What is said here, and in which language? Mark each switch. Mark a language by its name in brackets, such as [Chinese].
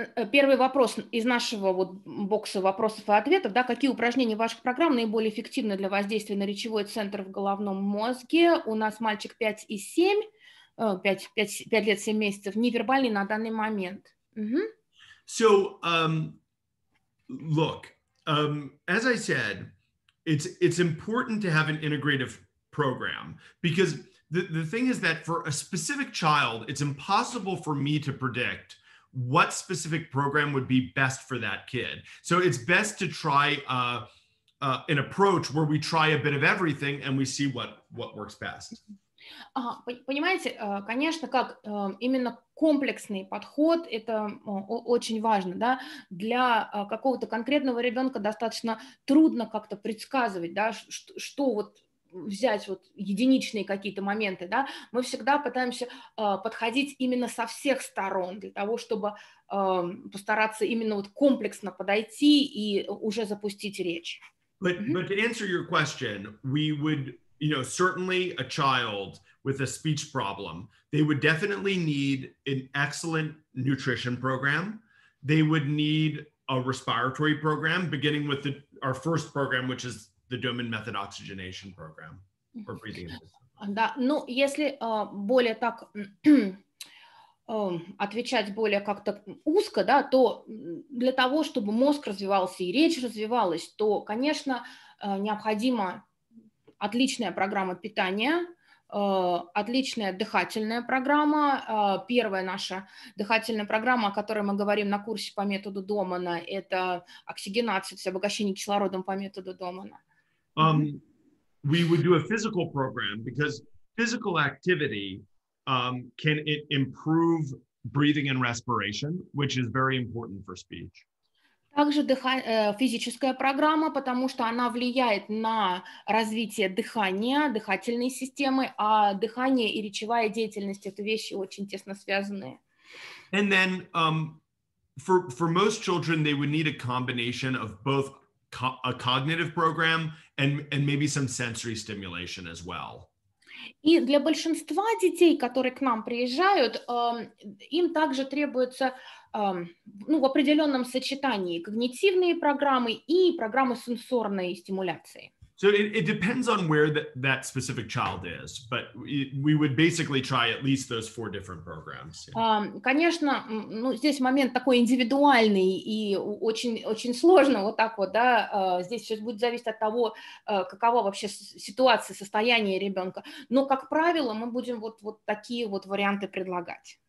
[Russian] Первый вопрос из нашего вот бокса вопросов и ответов, да, какие упражнения ваших программ наиболее эффективны для воздействия на речевой центр в головном мозге? У нас мальчик 5 лет 7 месяцев, невербальный на данный момент. [English] So, look, as I said, it's important to have an integrative program, because the thing is that for a specific child, it's impossible for me to predict what specific program would be best for that kid. So it's best to try an approach where we try a bit of everything and we see what works best. [Russian] Понимаете, конечно, как именно комплексный подход, это очень важно, да, для какого-то конкретного ребенка достаточно трудно как-то предсказывать, да, что вот взять вот единичные какие-то моменты, да, мы всегда пытаемся подходить именно со всех сторон для того, чтобы постараться именно вот комплексно подойти и уже запустить речь. [English] But, mm-hmm. but to answer your question, we would, you know, certainly a child with a speech problem, they would definitely need an excellent nutrition program. They would need a respiratory program, beginning with the, our first program, which is the Doman Method Oxygenation Program for breathing. [Russian] Да, ну, если более так отвечать более как-то узко, да, то для того, чтобы мозг развивался и речь развивалась, то, конечно, необходима отличная программа питания, отличная дыхательная программа. Первая наша дыхательная программа, о которой мы говорим на курсе по методу Домана, это оксигенация, то есть обогащение кислородом по методу Домана. [English] We would do a physical program because physical activity can it improve breathing and respiration, which is very important for speech. [Russian] Также физическая программа, потому что она влияет на развитие дыхания, дыхательной системы, а дыхание и речевая деятельность — это вещи очень тесно связанные. [English] And then for most children, they would need a combination of both a cognitive program and maybe some sensory stimulation as well. [Russian] И для большинства детей, которые к нам приезжают, им также требуется ну, в определенном сочетании когнитивные программы и программы сенсорной стимуляции. [English] So it depends on where that specific child is, but we would basically try at least those four different programs. [Russian] Конечно, ну, здесь момент такой индивидуальный и очень-очень сложно вот так вот, да, здесь все будет зависеть от того, какова вообще ситуация, состояние ребенка, но, как правило, мы будем вот такие вот варианты предлагать.